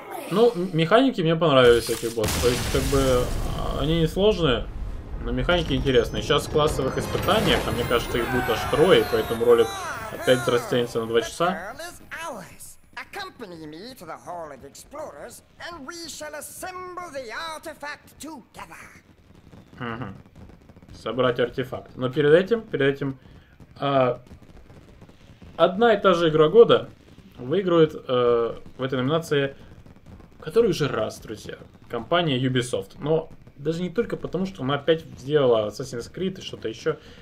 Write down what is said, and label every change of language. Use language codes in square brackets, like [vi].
[ru] Ну, механики мне понравились, этих боссов. То есть, как бы, они не сложные, но механики интересные. Сейчас в классовых испытаниях, а мне кажется, их будет аж трое, поэтому ролик опять растянется на 2 часа. [en] Accompany me to the Hall of Explorers, and we shall assemble the artifact together. [ru] Собрать артефакт. Но перед этим, одна и та же игра года выигрывает в этой номинации, который уже раз, друзья, компания Ubisoft. Но даже не только потому, что она опять сделала Assassin's Creed и что-то еще.